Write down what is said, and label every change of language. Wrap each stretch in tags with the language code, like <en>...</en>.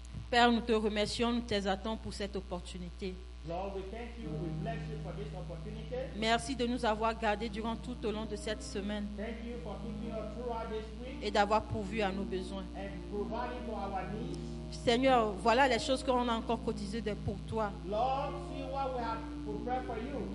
<fr>Père, nous te remercions, nous t'exaltons pour cette opportunité.</fr> <en>Lord, we thank you, we bless you for this opportunity.</en> <fr>Merci de nous avoir gardés durant tout au long de cette semaine.</fr> <en>Thank you for keeping us throughout this week.</en> <fr>Et d'avoir pourvu à nos besoins.</fr> <en>And providing for our needs.</en> <fr>Seigneur, voilà les choses qu'on a encore cotisées pour toi.</fr> <en>Lord, see what we have prepared for you.</en>